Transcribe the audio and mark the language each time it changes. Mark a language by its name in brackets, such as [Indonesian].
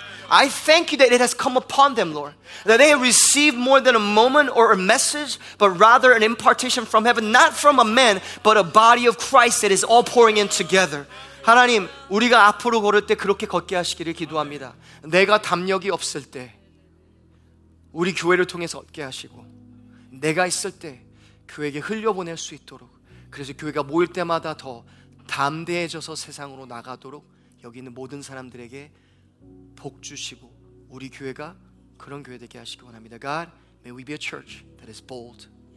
[English] I thank you that it has come upon them, Lord. That they have received more than a moment or a message, but rather an impartation from heaven, not from a man, but a body of Christ that is all pouring in together. [Korean] 하나님, 우리가 앞으로 걸을 때 그렇게 걷게 하시기를 기도합니다. 내가 담력이 없을 때 우리 교회를 통해서 얻게 하시고, 내가 있을 때 교회에게 흘려보낼 수 있도록, 그래서 교회가 모일 때마다 더 담대해져서 세상으로 나가도록 여기 있는 모든 사람들에게 복 주시고 우리 교회가 그런 교회 되게 하시기 원합니다. [English] God, may we be a church that is bold.